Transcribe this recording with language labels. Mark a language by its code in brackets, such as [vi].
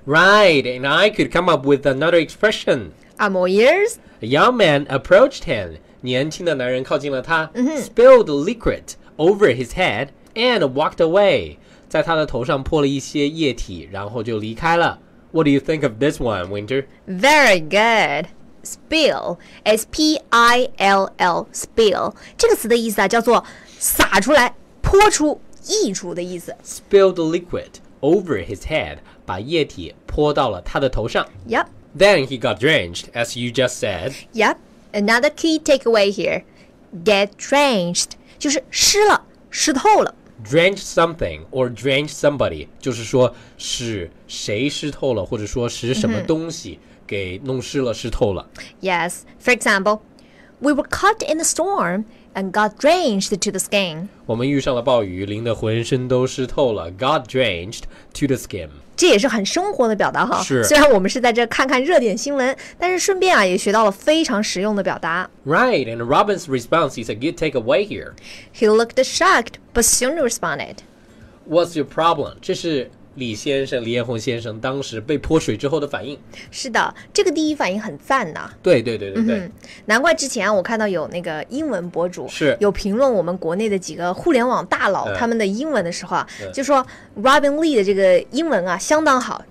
[en] Right, and I could come up with another expression. I'm all ears. A young man approached him. [zh] 年轻的男人靠近了他、 [en] spilled liquid over his head and walked away. [zh] 在他的头上泼了一些液体，然后就离开了。 [en] What do you think of this one, Winter? Very good. Spill, S-P-I-L-L, spill. [zh] 这个词的意思啊，叫做洒出来、泼出、溢出的意思。 [en] Spilled liquid over his head, [zh] 把液体泼到了他的头上。 [en] Yep. Then he got drenched, as you just said. Yep. Another key takeaway here. Get drenched, [zh] 就是湿了、湿透了。 [en] Drench something or drench somebody [zh] 就是说使谁湿透了，或者说使什么东西给弄湿了、湿透了。 [en] Yes, for example, we were caught in a storm and got drenched to the skin. [zh] 我们遇上了暴雨，淋得浑身都湿透了。 [en] Got drenched to the skin. [zh] 这也是很生活的表达哈。是。虽然我们是在这看看热点新闻，但是顺便啊也学到了非常实用的表达。 Right, and Robin's response is a good takeaway here. He looked shocked, but soon responded. What's your problem? 这是李先生李彦宏先生当时被泼水之后的反应是的这个第一反应很赞呐、啊、对对对对对、嗯、难怪之前、啊、我看到有那个英文博主是有评论我们国内的几个互联网大佬他们的英文的时候、嗯、就说 Robin Lee 的这个英文啊相当好